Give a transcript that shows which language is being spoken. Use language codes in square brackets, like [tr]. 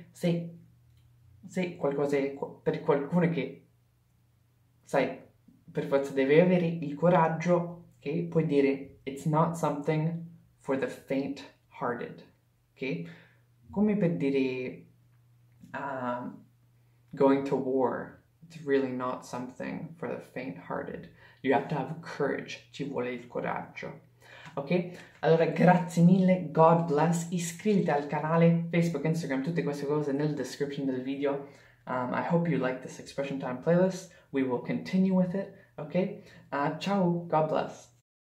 [it] Se qualcosa è per qualcuno che, sai, per forza deve avere il coraggio, ok? Puoi dire, [en] it's not something for the faint-hearted, ok? [it] Come per dire [en] going to war, it's really not something for the faint-hearted. You have to have courage. [it] Ci vuole il coraggio. [en] Ok? [it] Allora, grazie mille. [en] God bless. [it] Iscriviti al canale Facebook, Instagram, tutte queste cose nel description del video. [en] I hope you like this Expression Time playlist. We will continue with it. Ok? Ciao. God bless.